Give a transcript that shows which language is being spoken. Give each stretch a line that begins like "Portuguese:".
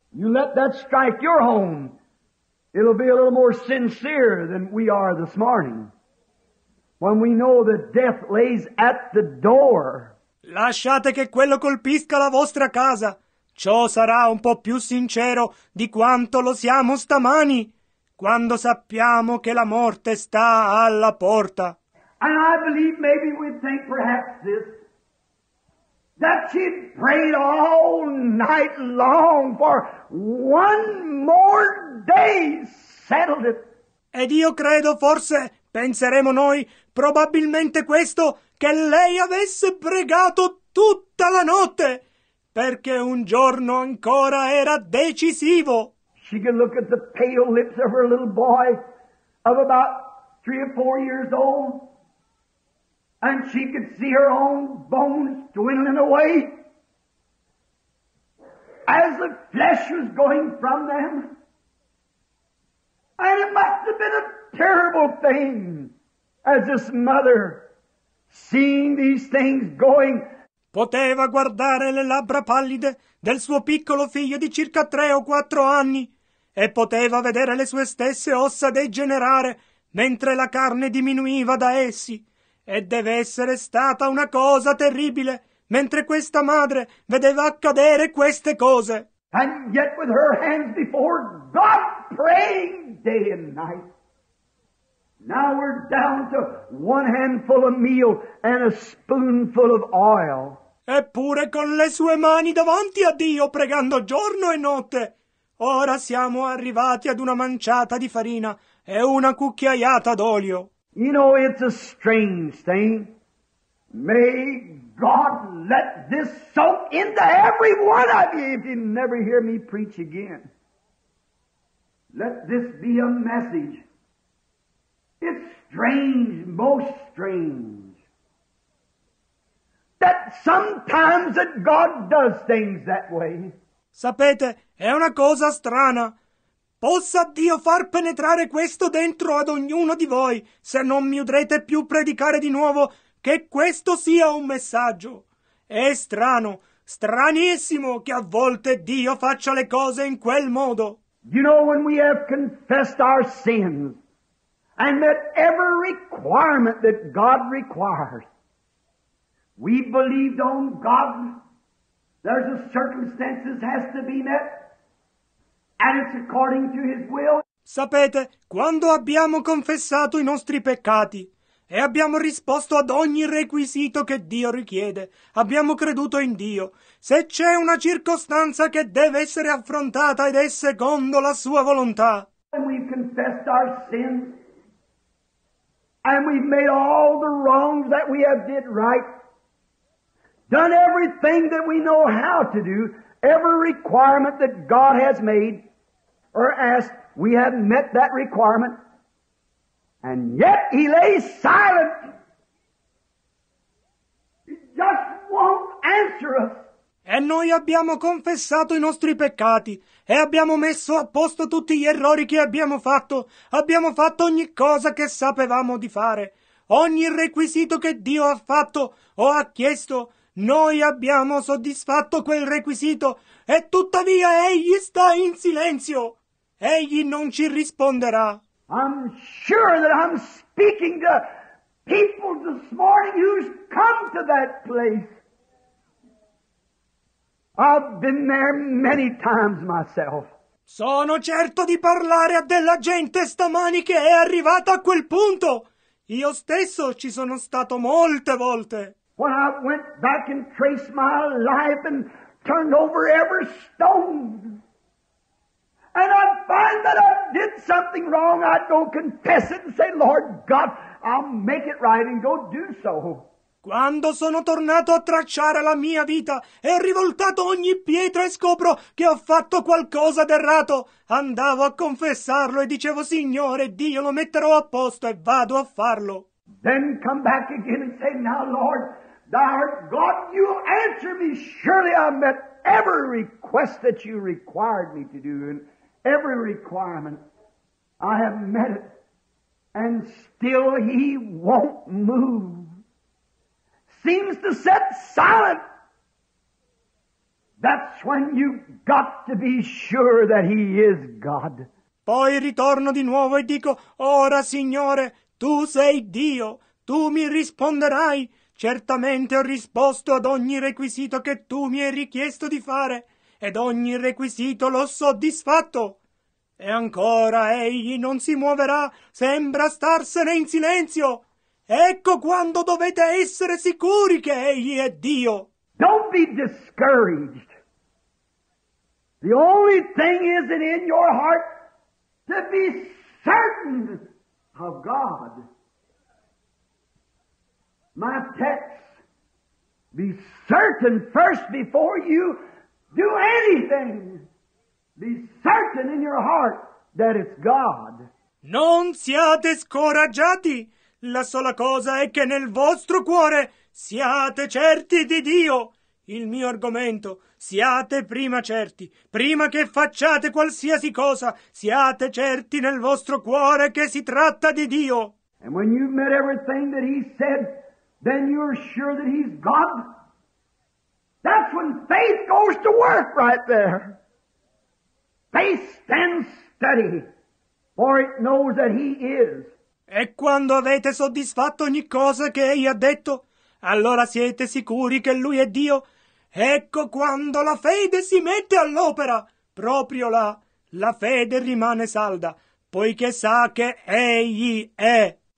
English: You let that strike your home, it'll be a little more sincere than we are this morning, when we know that death lays at the door.
Italian: Lasciate che quello colpisca la vostra casa. Ciò sarà un po' più sincero di quanto lo siamo stamani, quando sappiamo che la morte sta alla porta.
English: And I believe maybe we'd think perhaps this, that she'd prayed all night long for one more day's settled it.
Italian: Ed io credo, forse, penseremo noi, probabilmente questo, che lei avesse pregato tutta la notte, perché un giorno ancora era decisivo.
English: She could look at the pale lips of her little boy of about 3 or 4 years old, and she could see her own bones dwindling away as the flesh was going from them. And it must have been a terrible thing as this mother seeing these things going.
Italian: Poteva guardare le labbra pallide del suo piccolo figlio di circa 3 o 4 anni e poteva vedere le sue stesse ossa degenerare mentre la carne diminuiva da essi. E deve essere stata una cosa terribile mentre questa madre vedeva accadere queste cose.
English: And yet with her hands before God praying day and night. Now we're down to one handful of meal and a spoonful of oil.
Italian: Eppure con le sue mani davanti a Dio pregando giorno e notte. Ora siamo arrivati ad una manciata di farina e una cucchiaiata d'olio.
English: You know, it's a strange thing. May God let this soak into every one of you if you never hear me preach again. Let this be a message. It's strange, most strange, that sometimes that God does things that way.
Italian: Sapete, è una cosa strana. Possa Dio far penetrare questo dentro ad ognuno di voi, se non mi udrete più predicare di nuovo che questo sia un messaggio. È strano, stranissimo, che a volte Dio faccia le cose in quel modo.
English: You know, when we have confessed our sins and met every requirement that God requires, we believed on God, there's a circumstances has to be met, and it's according to His will.
Italian: Sapete, quando abbiamo confessato i nostri peccati e abbiamo risposto ad ogni requisito che Dio richiede, abbiamo creduto in Dio. Se c'è una circostanza che deve essere affrontata ed è secondo la Sua volontà.
English: And we've confessed our sins, and we've made all the wrongs that we have did right, done everything that we know how to do, every requirement that God has made or asked, we have met that requirement. And yet He lays silent. He just won't answer us.
Italian: E noi abbiamo confessato i nostri peccati e abbiamo messo a posto tutti gli errori che abbiamo fatto. Abbiamo fatto ogni cosa che sapevamo di fare. Ogni requisito che Dio ha fatto o ha chiesto, noi abbiamo soddisfatto quel requisito e tuttavia Egli sta in silenzio. Egli non ci risponderà.
English: I'm sure that I'm speaking to people this morning who's come to that place. I've been there many times myself.
Italian: Sono certo di parlare a della gente stamani che è arrivata a quel punto. Io stesso ci sono stato molte volte.
English: When I went back and traced my life and turned over every stone, and I find that I did something wrong, I'd go confess it and say, Lord God, I'll make it right, and go do so.
Italian: Quando sono tornato a tracciare la mia vita e ho rivoltato ogni pietra e scopro che ho fatto qualcosa d'errato, andavo a confessarlo e dicevo, Signore, Dio, lo metterò a posto e vado a farlo.
English: Then come back again and say, now Lord, Thou art God, You answer me, surely I met every request that You required me to do, and every requirement, I have met it, and still He won't move. Seems to sit silent. That's when you've got to be sure that He is God.
Italian: Poi ritorno di nuovo e dico, ora Signore, Tu sei Dio, Tu mi risponderai. Certamente ho risposto ad ogni requisito che Tu mi hai richiesto di fare, ed ogni requisito l'ho soddisfatto. E ancora Egli non si muoverà, sembra starsene in silenzio. Ecco quando dovete essere sicuri che Egli è Dio.
English: Don't be discouraged. The only thing is in your heart to be certain of God. My text, be certain first before you do anything. Be certain in your heart that it's God.
Italian: Non siate scoraggiati. La sola cosa è che nel vostro cuore siate certi di Dio. Il mio argomento, siate prima certi, prima che facciate qualsiasi cosa, siate certi nel vostro cuore che si tratta di Dio.
English: And when you've met everything that he said, then you're sure that he's God. That's when faith goes to work right there. Faith stands steady, for it knows that he is.
Italian: E quando avete soddisfatto ogni cosa che egli ha detto, allora siete sicuri che lui è Dio. Ecco quando la fede si mette all'opera. Proprio là, la fede rimane salda, poiché sa che egli è.